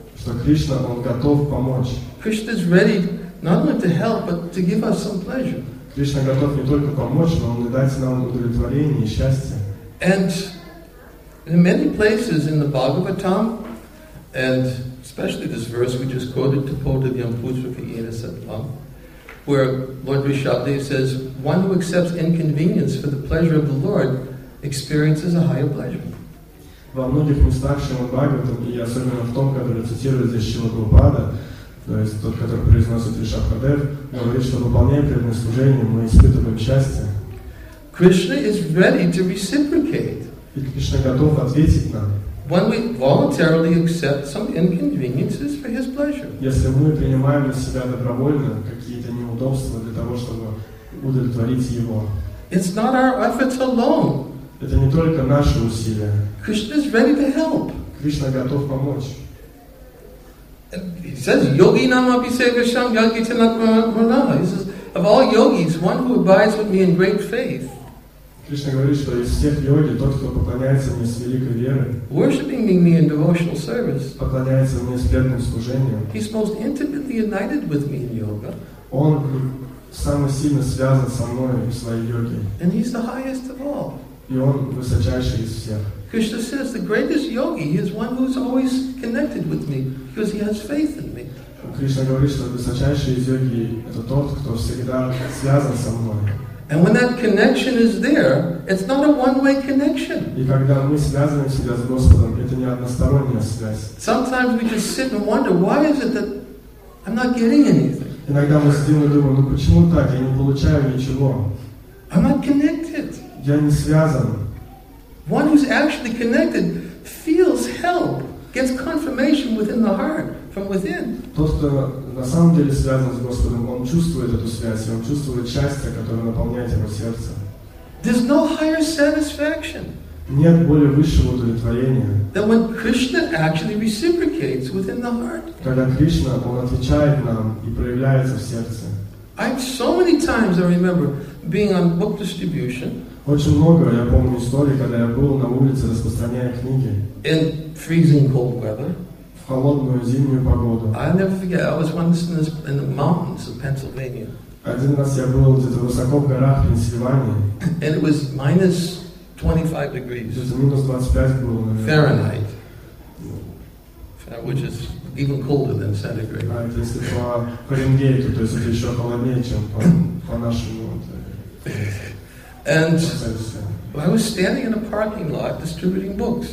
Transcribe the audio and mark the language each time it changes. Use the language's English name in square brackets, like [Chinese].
[Russian] Что Кришна, он готов помочь. [English] Krishna is ready not only to help, but to give us some pleasure. [Russian] Кришна готов не только помочь, но он и дать нам удовлетворение и счастье. [English] And in many places in the Bhagavatam, and especially this verse we just quoted, Tapodavyam Pujraka Yena Satvam, where Lord Vishabdev says, one who accepts inconvenience for the pleasure of the Lord experiences a higher pleasure. [Russian] Во многих местах Шримад Бхагаватам, и особенно в том, который цитирует здесь Шрила Прабхупада, то есть тот, который произносит Вишакхадев, говорит, что выполняя преданное служение, мы испытываем счастье. [English] Krishna is ready to reciprocate. [Russian] И Кришна готов ответить нам. [English] When we voluntarily accept some inconveniences for His pleasure. [Russian] Если мы принимаем на себя добровольно какие-то неудобства для того, чтобы удовлетворить Его. [English] It's not our efforts alone. [Russian] Это не только наши усилия. [English] Krishna is ready to help. [Russian] Кришна готов помочь. [English] And he says, [Sanskrit] "Yogi nam api sevasham yogi chanatmana." [English] He says, "Of all yogis, one who abides with me in great faith." [Russian] Кришна говорит, что из всех йоги тот, кто поклоняется мне с великой верой, [English] worshipping me in devotional service, [Russian] поклоняется мне с преданным служением, [English] he's most intimately united with me in yoga, [Russian] он самый сильно связан со мной в своей йоге, [English] and he's the highest of all. [Russian] И он высочайший из всех. [English] Krishna says, the greatest yogi is one who's always connected with me because he has faith in me. [Russian] Кришна говорит, что высочайший из йоги это тот, кто всегда связан со мной. [English] And when that connection is there, it's not a one-way connection. [Russian] И когда мы связываем себя с Господом, это не односторонняя связь. [English] Sometimes we just sit and wonder, why is it that I'm not getting anything? [Russian] Иногда мы сидим и думаем, ну почему так? Я не получаю ничего. [English] I'm not connected. [Russian] Я не связан. [English] One who's actually connected feels help, gets confirmation within the heart, from within. [Russian] Тот, кто на самом деле связан с Господом, он чувствует эту связь, он чувствует счастье, которое наполняет его сердце. [English] There's no higher satisfaction. [Russian] Нет более высшего удовлетворения. [English] Than when Krishna actually reciprocates within the heart. [Russian] Когда Кришна, он отвечает нам и проявляется в сердце. [English] So many times I remember being on book distribution. [Russian] Очень много я помню историй, когда я был на улице, распространяя книги. [English] In freezing cold weather. [Russian] В холодную зимнюю погоду. [English] I'll never forget, I was once in the mountains of Pennsylvania. [Russian] Один раз я был где-то высоко в горах Пенсильвании. [English] And it was minus 25 degrees. [Russian] Это минус 25 было, наверное. [English] Fahrenheit. Which is even colder than centigrade. [Russian] А если по Фаренгейту, то есть это еще холоднее, чем по нашему. [English] And I was standing in a parking lot distributing books.